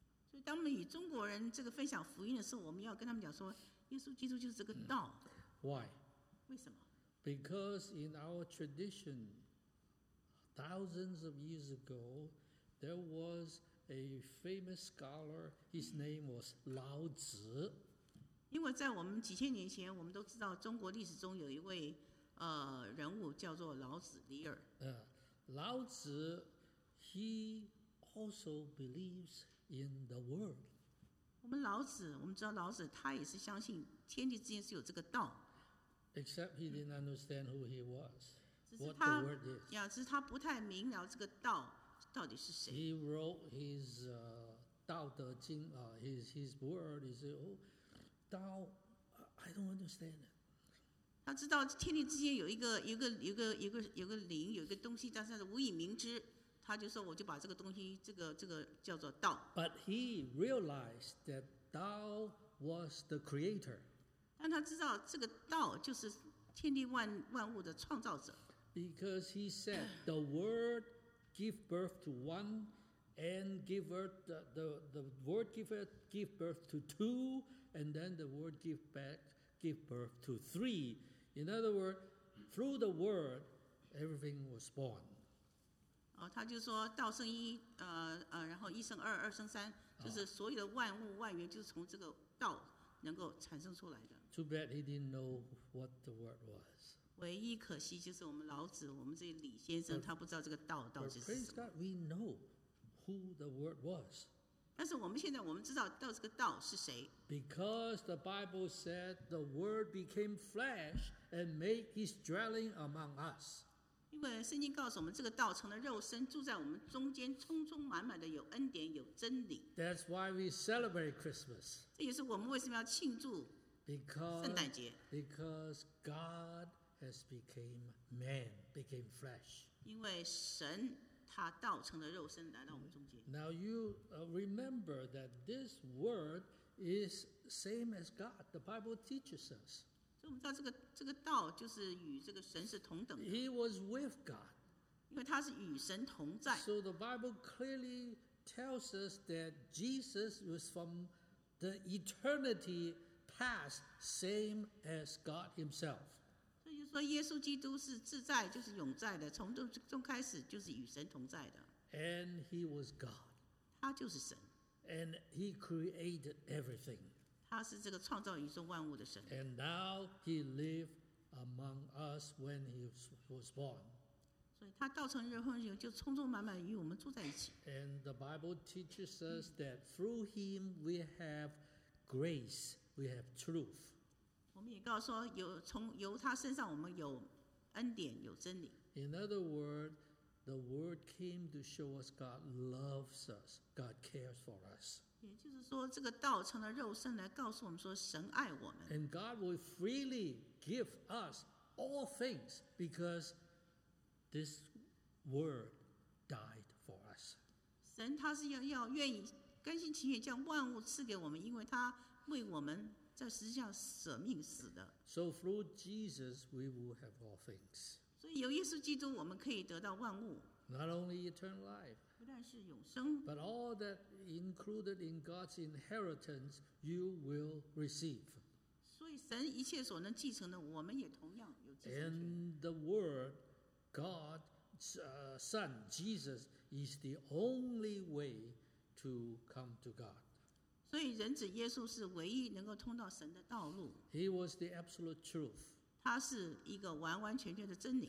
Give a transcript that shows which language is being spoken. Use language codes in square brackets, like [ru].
[zh] 所以，当我们与中国人这个分享福音的时候，我们要跟他们讲说，耶稣基督就是这个道。 [en] Why? [zh] 为什么？ [en] Because in our tradition. Thousands of years ago, there was a famous scholar. His name was Lao Tzu. [zh] 因为在我们几千年前，我们都知道中国历史中有一位人物叫做老子李耳。 [en] 老子 he also believes in the world. [zh] 我们老子，我们知道老子他也是相信天地之间是有这个道。 [en] Except he didn't understand who he was, what the word is. [zh] 只是他不太明了这个道到底是谁。 [en] He wrote his Tao De Jing, his word, he said, oh, Tao, I don't understand it. [zh] 他知道天地之间有一个灵，有一个东西，但是无以明知。他就说，我就把这个东西，这个叫做道。 [en] But he realized that Tao was the creator. [zh] 但他知道这个道就是天地万物的创造者。 [en] Because he said the word give birth to one. And give birth, the word give birth to two, and then the word give birth to three. In other words, through the word, everything was born. [zh] Oh, 他就说道生一，然后一生二，二生三，就是所有的万物万源就是从这个道能够产生出来的。 [en] Too bad he didn't know what the word was. [zh] 唯一可惜就是我们老子，我们这李先生，他不知道这个道到底是什么。 [en] Praise God, we know. Who the word was. [zh] 但是我们现在我们知道到这个道是谁。 [en] Because the Bible said the word became flesh and made his dwelling among us. [zh] 因为圣经告诉我们这个道成了肉身住在我们中间充充满满的有恩典有真理。 [en] That's why we celebrate Christmas. [zh] 这也是我们为什么要庆祝圣诞节。 [en] Because God has became man, became flesh. [zh] 因为神他道成了肉身来到我们中间。 [en] Now you remember that this word is same as God. The Bible teaches us. [zh] 所以我们知道这个道就是与这个神是同等的。 [en] He was with God. [zh] 因为他是与神同在。 [en] So the Bible clearly tells us that Jesus was from the eternity past, same as God Himself. [zh] 就是说耶稣基督是自在就是永在的从中开始就是与神同在的 [en] And he was God [zh] 他就是神 [en] And he created everything [zh] 他是这个创造宇宙万物的神 [en] And now he lived among us when he was born [zh] 所以他道成肉身就充充满满与我们住在一起 [en] And the Bible teaches us that through him we have grace we have truth We also tell us that from his [zh] 身上我们有恩典有真理 [en] In other words, the word came to show us God loves us, God cares for us. [zh] 也就是说这个道成了肉身来告诉我们说神爱我们 [en] And God will freely give us all things because this word died for us. [zh] 神他是要愿意甘心情愿将万物赐给我们因为他为我们在实际上舍命死的。 [en] So through Jesus, we will have all things. [zh] 所以由耶稣基督，我们可以得到万物。 [en] Not only eternal life, [zh] 不但是永生 [en] but all that included in God's inheritance, you will receive. [zh] 所以神一切所能继承的，我们也同样有继承。 [en] And the Word, God's Son, Jesus, is the only way to come to God. [zh] 所以人子耶稣是唯一能够通到神的道路。 [en] He was the absolute truth. [zh] 他是一个完完全全的真理。